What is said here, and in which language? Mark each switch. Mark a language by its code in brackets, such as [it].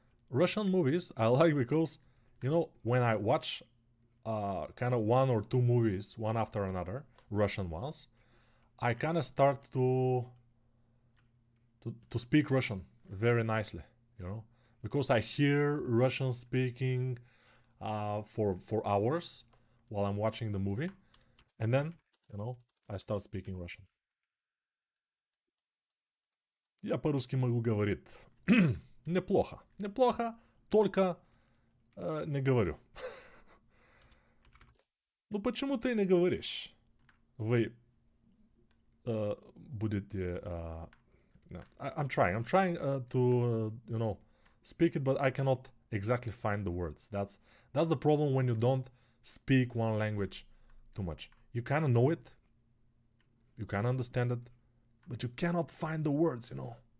[en] Russian movies I like because, you know, when I watch kind of one or two movies, one after another, Russian ones, I kind of start to speak Russian very nicely, you know, because I hear Russian speaking for hours while I'm watching the movie, and then, you know, I start speaking Russian. [ru] Я по-русски могу говорить. Неплохо. Неплохо, только не говорю. Ну почему ты не говоришь? Вы будете... [en] I'm trying to speak it, but I cannot exactly find the words. That's the problem when you don't speak one language too much. You kind of know it. You can understand it, but you cannot find the words, you know.